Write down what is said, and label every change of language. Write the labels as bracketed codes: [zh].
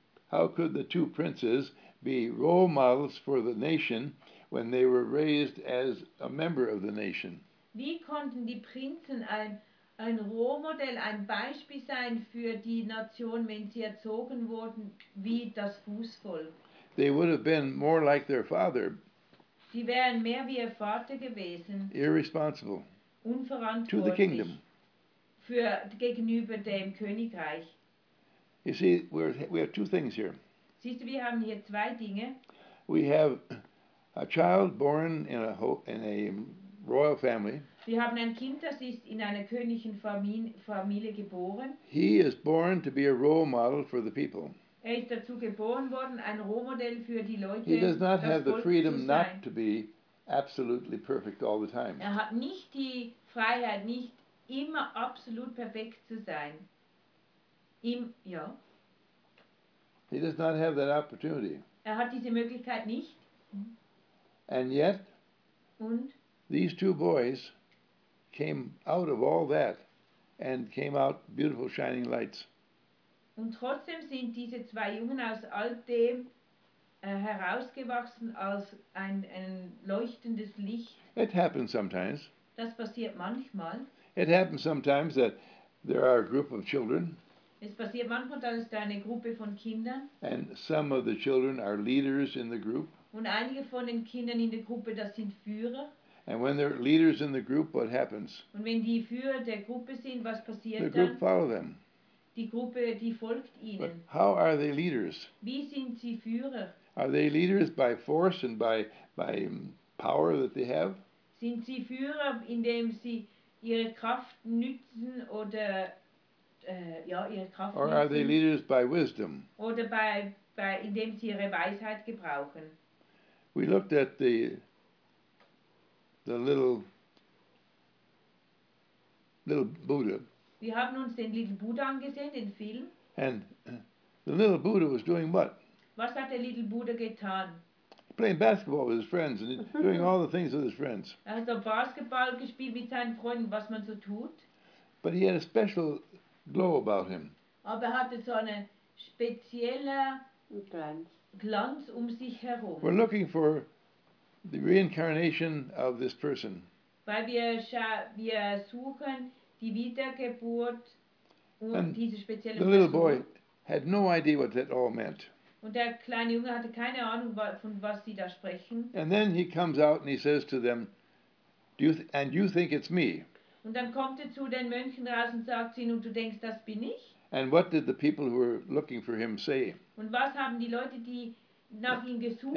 [en] How could the two princes be role models for the nation when they were raised as a member of the nation? [de] Wie konnten die Prinzen ein Rohmodell, ein Beispiel sein für die Nation, wenn sie erzogen wurden wie das Fußvolk? [en] They would have been more like their father. [de] Sie wären mehr wie ihr Vater gewesen. [en] Irresponsible. [de] Unverantwortlich. [en] To the kingdom. [de] Gegenüber dem Königreich. [en] You see, we have two things here. [de] Siehst du, wir haben hier zwei Dinge. [en] We have a child born in a royal family. [de] Wir haben ein Kind, das ist in einer königlichen Familie geboren. [en] He is born to be a role model for the people. [de] Er ist dazu geboren worden, ein Rohmodell für die Leute. [en] He does not have the freedom not to be absolutely perfect all the time. [de] Er hat nicht die Freiheit, nicht immer absolut perfekt zu sein. [en] He does not have that opportunity. [de] Er hat diese Möglichkeit nicht. [en] And yet, [de] und? [en] These two boys came out of all that and came out beautiful shining lights. [de] Und trotzdem sind diese zwei Jungen aus all dem herausgewachsen als ein leuchtendes Licht. [en] It happens sometimes. [de] Das passiert manchmal. [en] It happens sometimes that there are a group of children. [de] Es passiert manchmal, dann ist da eine Gruppe von Kindern. [en] And some of the children are leaders in the group. [de] Und einige von den Kindern in der Gruppe, das sind Führer. [en] And when they're leaders in the group, what happens? [de] Und wenn die Führer der Gruppe sind, was passiert dann? [en] The group follow them. [de] Die Gruppe, die folgt ihnen. [en] But how are they leaders? [de] Wie sind sie Führer? [en] Are they leaders by force and by power that they have? [de] Sind sie Führer, indem sie ihre Kraft nützen oder ihre Kraft nutzen? [en] Or are they leaders by wisdom? [de] Oder bei indem sie ihre Weisheit gebrauchen? [en] We looked at the little Buddha. [de] Wir haben uns den Little Buddha angesehen, den Film. [en] And the little Buddha was doing what? [de] Was hat der Little Buddha getan? [en] Playing basketball with his friends and doing all the things with his friends. [de] Er hat Basketball gespielt mit seinen Freunden, was man so tut. [en] But he had a special glow about him. [de] Aber er hatte so eine spezielle Glanz um sich herum. [en] We're looking for the reincarnation of this person. [de] Weil wir suchen die Wiedergeburt und diese spezielle Person. [en] The little boy had no idea what that all meant. [de] Und der kleine Junge hatte keine Ahnung, von was sie da sprechen. [en] And then he comes out and he says to them, and you think it's me? [de] Und dann kommt er zu den Mönchen raus und sagt ihnen, und du denkst, das bin ich? [en] And what did the people who were looking for him say? [de] Und was haben die Leute, die nach ihm gesucht